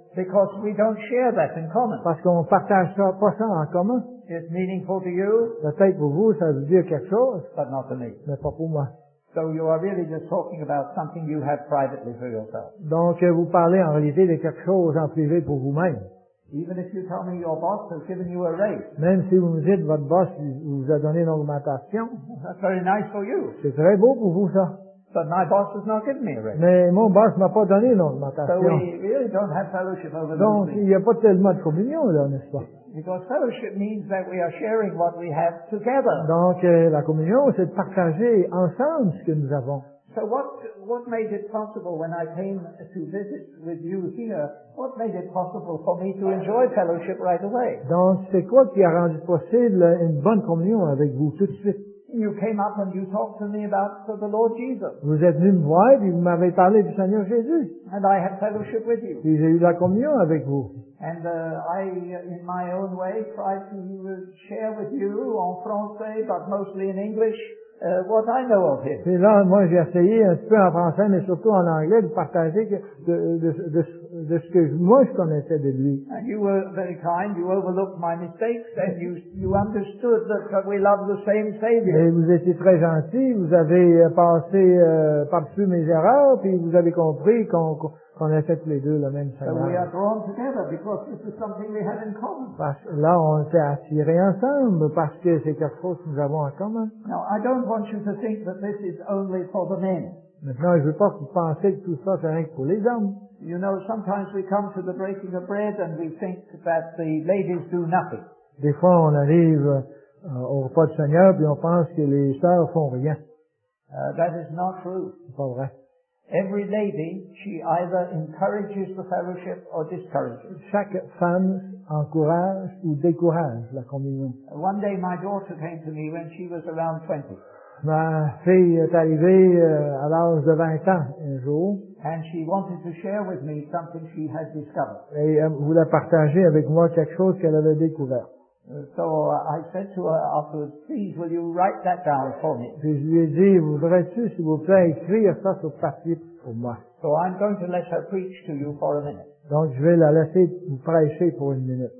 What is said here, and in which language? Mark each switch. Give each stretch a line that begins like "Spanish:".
English: Because we don't share that in common.
French: Parce qu'on partage ça, pas ça en commun.
English: It's meaningful to you.
French: Peut-être pour vous, ça veut dire quelque chose.
English: But not to me.
French: Mais pas pour moi.
English: So you are really just talking about something you have privately for yourself.
French: Donc, vous parlez en réalité de quelque chose en privé pour vous-même.
English: Even if you tell me your boss has given you a raise.
French: Même si vous me dites votre boss vous a donné une augmentation.
English: That's very nice for you.
French: C'est très beau pour vous, ça.
English: But my boss has not given me a raise.
French: Mais mon boss m'a pas donné une augmentation.
English: So we really don't have fellowship over the
French: Donc, il n'y a pas tellement de communion là, n'est-ce pas?
English: Because fellowship means that we are sharing what we have together.
French: Donc, la communion, c'est de partager ensemble ce que nous avons.
English: So what made it possible when I came to visit with you here, what made it possible for me to enjoy fellowship right away?
French: Donc c'est quoi qui a rendu possible une bonne communion avec vous tout de suite?
English: You came up and you talked to me about the Lord Jesus.
French: Vous êtes venu me voir et vous m'avez parlé du Seigneur Jésus.
English: And I had fellowship with you.
French: Et j'ai eu la communion avec vous.
English: And I, in my own way, tried to share with you
French: en français,
English: but mostly in English, what I know of him.
French: Et là, moi, j'ai essayé un peu en français, mais surtout en anglais, de partager de ce que moi je connaissais de lui.
English: And you were very kind. You overlooked my mistakes, and you understood that we love the same Savior.
French: Et vous étiez très gentil. Vous avez passé par-dessus mes erreurs, puis vous avez compris qu'on a fait les deux le même salaire. Là, on s'est attirés ensemble parce que c'est quelque chose que nous avons en commun.
English: Now, I don't want you to think that this is only for the men.
French: Maintenant, je ne veux pas que vous pensiez que tout ça, c'est rien que pour les hommes.
English: You know, sometimes we come to the breaking of bread and we think that the ladies do nothing.
French: Des fois, on arrive au repas du Seigneur et on pense que les sœurs ne font rien.
English: That is not true.
French: C'est pas vrai.
English: Every lady, she either encourages the fellowship or discourages.
French: Chaque femme encourage ou décourage la communion.
English: One day my daughter came to me when she was around 20.
French: Ma fille est arrivée à l'âge de 20 ans un jour.
English: And she wanted to share with me something she had discovered.
French: Et elle voulait partager avec moi quelque chose qu'elle avait découvert.
English: So I said to her afterwards, please will you write that down for me?
French: Je lui ai dit, voudrais-tu s'il vous plaît écrire ça sur papier pour moi?
English: So I'm going to let her preach to you for a minute.
French: Donc je vais la laisser vous prêcher pour une minute.